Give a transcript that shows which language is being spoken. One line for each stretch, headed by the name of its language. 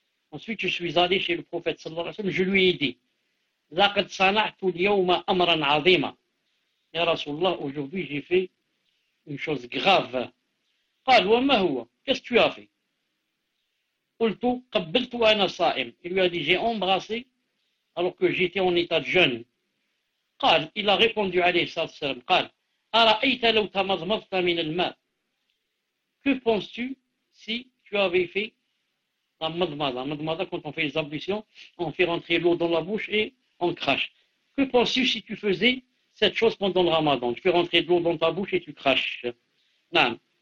French: Ensuite, je suis allé chez le prophète, sallallahu alayhi wa sallam, je lui ai dit,
Arabic: لقد صنعت اليوم أمرا عظيما يا رسول الله
French: aujourd'hui j'ai fait une chose grave.
Arabic: قال وما هو
French: qu'est-ce que tu as fait.
Arabic: قلت قبلت أنا صائم.
French: Il lui a dit j'ai embrassé alors que j'étais en état de jeûne.
Arabic: قال
French: il a répondu
Arabic: عليه الصلاة والسلام قال أرأيت لو تمضمضت من الماء.
French: Que penses-tu si tu avais fait la madmada? Madmada quand on fait les ablutions, on fait rentrer l'eau dans la bouche et on crache. Que penses-tu si tu faisais cette chose pendant le ramadan? Tu fais rentrer de l'eau dans ta bouche et tu craches. Non.